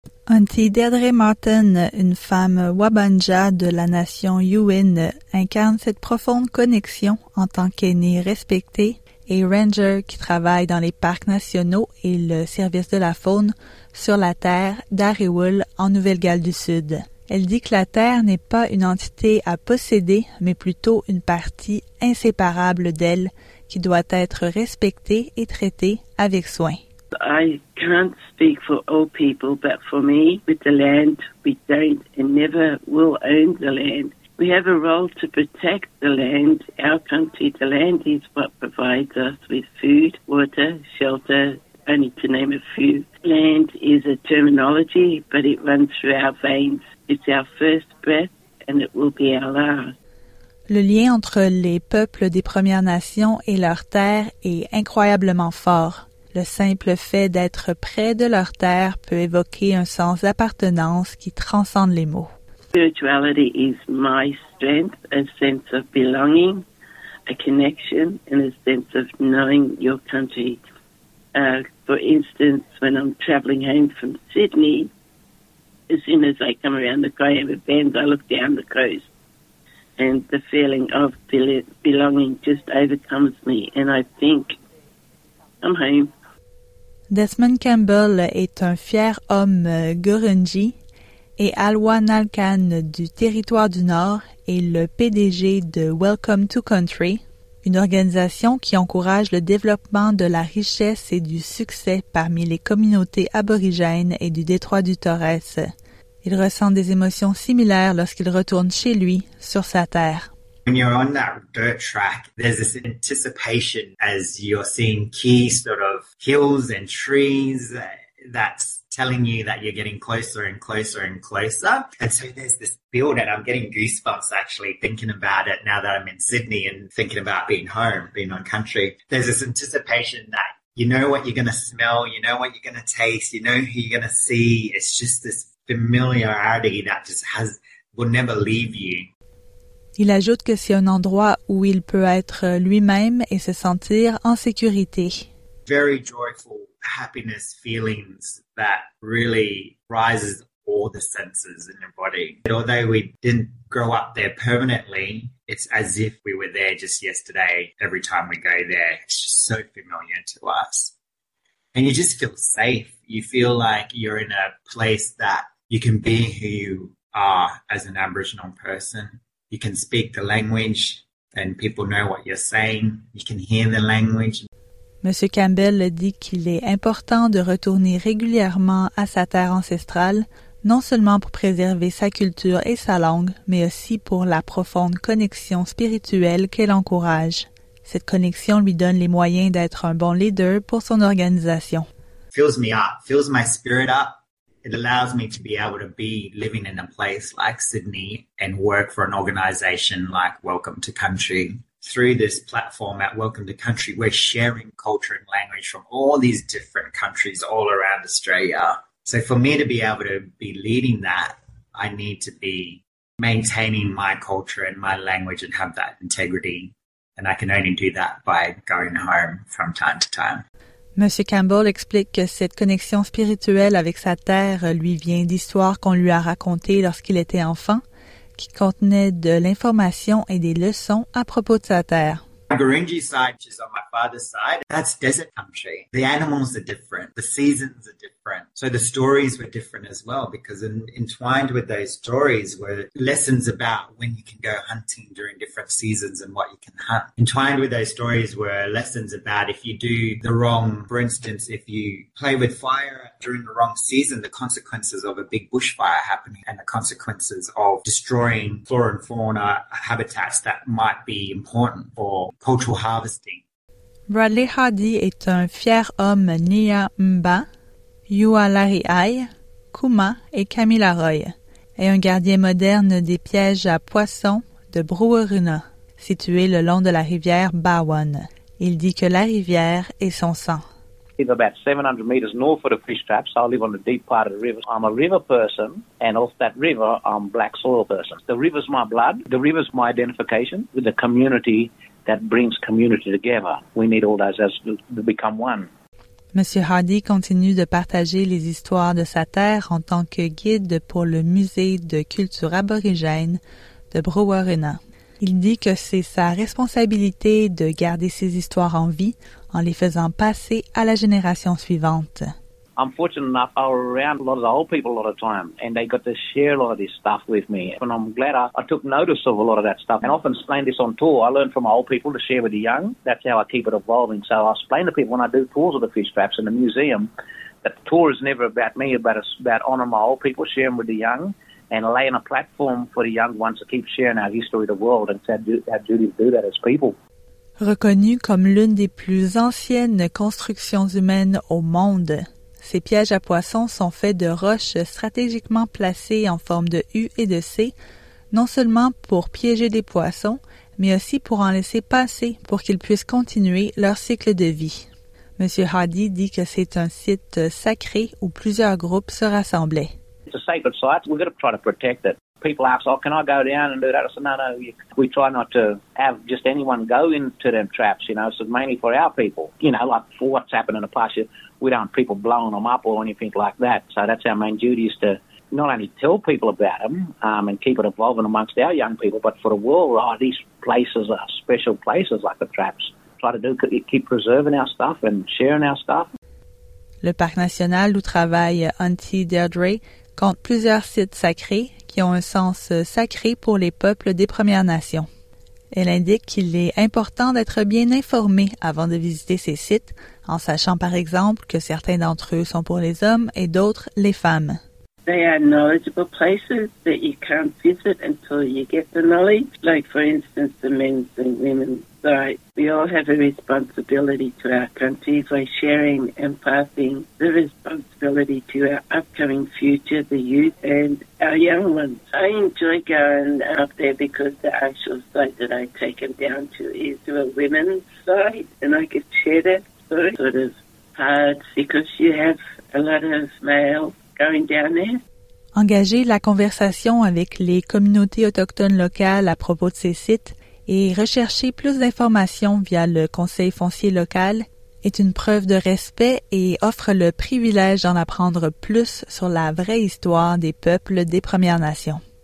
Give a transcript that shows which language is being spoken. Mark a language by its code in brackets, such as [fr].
[fr] Auntie Deirdre Martin, une femme Wabanja de la nation Yuin, incarne cette profonde connexion en tant qu'aînée respectée et ranger qui travaille dans les parcs nationaux et le service de la faune sur la terre d'Ariwul en Nouvelle-Galles du Sud. Elle dit que la terre n'est pas une entité à posséder, mais plutôt une partie inséparable d'elle qui doit être respectée et traitée avec soin. [en] I can't speak for all people, but for me, with the land, we don't and never will own the land. We have a role to protect the land, our country. The land is what provides us with food, water, shelter, only to name a few. Land is a terminology, but it runs through our veins. It's our first breath, and it will be our last. [fr] Le lien entre les peuples des Premières Nations et leur terre est incroyablement fort. Le simple fait d'être près de leur terre peut évoquer un sens d'appartenance qui transcende les mots. [en] Spirituality is my strength, a sense of belonging, a connection, and a sense of knowing your country. For instance, when I'm traveling home from Sydney, as soon as I come around the Kaiama Bend, I look down the coast, and the feeling of belonging just overcomes me, and I think I'm home. [fr] Desmond Campbell est un fier homme Gurundji et Alwa Nalkan du Territoire du Nord est le PDG de Welcome to Country, une organisation qui encourage le développement de la richesse et du succès parmi les communautés aborigènes et du détroit du Torres. Il ressent des émotions similaires lorsqu'il retourne chez lui, sur sa terre. [en] When you're on that dirt track, there's this anticipation as you're seeing key sort of hills and trees that's telling you that you're getting closer and closer and closer. And so there's this build, and I'm getting goosebumps actually thinking about it now that I'm in Sydney and thinking about being home, being on country. There's this anticipation that you know what you're going to smell, you know what you're going to taste, you know who you're going to see. It's just this familiarity that just has will never leave you. [fr] Il ajoute que c'est un endroit où il peut être lui-même et se sentir en sécurité. [en] Very joyful, happiness feelings that really rises all the senses in your body. But although we didn't grow up there permanently, it's as if we were there just yesterday. Every time we go there, it's just so familiar to us. And you just feel safe. You feel like you're in a place that you can be who you are as an Aboriginal person. You can speak the language and people know what you're saying. You can hear the language. [fr] Monsieur Campbell dit qu'il est important de retourner régulièrement à sa terre ancestrale, non seulement pour préserver sa culture et sa langue, mais aussi pour la profonde connexion spirituelle qu'elle encourage. Cette connexion lui donne les moyens d'être un bon leader pour son organisation. [en] Fills me up, fills my spirit up. It allows me to be able to be living in a place like Sydney and work for an organization like Welcome to Country. Through this platform at Welcome to Country, we're sharing culture and language from all these different countries all around Australia. So for me to be able to be leading that, I need to be maintaining my culture and my language and have that integrity. And I can only do that by going home from time to time. [fr] Monsieur Campbell explique que cette connexion spirituelle avec sa terre lui vient d'histoires qu'on lui a racontées lorsqu'il était enfant, qui contenaient de l'information et des leçons à propos de sa terre. [en] The Gurindji side, which is on my father's side, that's desert country. The animals are different. The seasons are different. So the stories were different as well, because entwined with those stories were lessons about when you can go hunting during different seasons and what you can hunt. Entwined with those stories were lessons about if you do the wrong, for instance, if you play with fire during the wrong season, the consequences of a big bushfire happening and the consequences of destroying flora and fauna habitats that might be important for cultural harvesting. [fr] Bradley Hardy est un fier homme Nia Mba, Yualari Ai, Kuma et Camila Roy, et un gardien moderne des pièges à poissons de Bruaruna, situé le long de la rivière Bawan. Il dit que la rivière est son sang. [en] It's about 700 meters north of Fish Traps. I live on the deep part of the river. I'm a river person, and off that river, I'm black soil person. The river's my blood. The river's my identification with the community that brings community together. We need all those to become one. [fr] Monsieur Hardy continue de partager les histoires de sa terre en tant que guide pour le musée de culture aborigène de Bruaruna. Il dit que c'est sa responsabilité de garder ces histoires en vie en les faisant passer à la génération suivante. [en] I'm fortunate enough, I'm around a lot of the old people a lot of time, and they got to share a lot of this stuff with me. And I'm glad I took notice of a lot of that stuff. And I often explain this on tour. I learn from old people to share with the young. That's how I keep it evolving. So I explain to people when I do tours of the fish traps in the museum that the tour is never about me, but it's about honoring my old people, sharing with the young, and laying a platform for the young ones to keep sharing our history of the world. And it's our duty to do that as people. [fr] Reconnue comme l'une des plus anciennes constructions humaines au monde, ces pièges à poissons sont faits de roches stratégiquement placées en forme de U et de C, non seulement pour piéger des poissons, mais aussi pour en laisser passer pour qu'ils puissent continuer leur cycle de vie. Monsieur Hardy dit que c'est un site sacré où plusieurs groupes se rassemblaient. [en] It's a sacred site. We've got to try to protect it. People ask, oh, can I go down and do that? I said, no, we try not to have just anyone go into them traps, you know, so mainly for our people, you know, like for what's happened in the past, we don't want people blowing them up or anything like that. So that's our main duty, is to not only tell people about them and keep it evolving amongst our young people, but for the world, oh, these places are special places like the traps. Try to do keep preserving our stuff and sharing our stuff. [fr] Le Parc national où travaille Auntie Deirdre compte plusieurs sites sacrés qui ont un sens sacré pour les peuples des Premières Nations. Elle indique qu'il est important d'être bien informé avant de visiter ces sites, en sachant par exemple que certains d'entre eux sont pour les hommes et d'autres les femmes. [en] they are knowledgeable places that you can't visit until you get the knowledge. Like, for instance, the men's and women's rights. We all have a responsibility to our countries by sharing and passing the responsibility to our upcoming future, the youth and our young ones. I enjoy going up there because the actual site that I take them down to is to a women's site, and I could share that story. Sort of hard because you have a lot of males. [fr] Engager la conversation avec les communautés autochtones locales à propos de ces sites et rechercher plus d'informations via le conseil foncier local est une preuve de respect et offre le privilège d'en apprendre plus sur la vraie histoire des peuples des Premières Nations.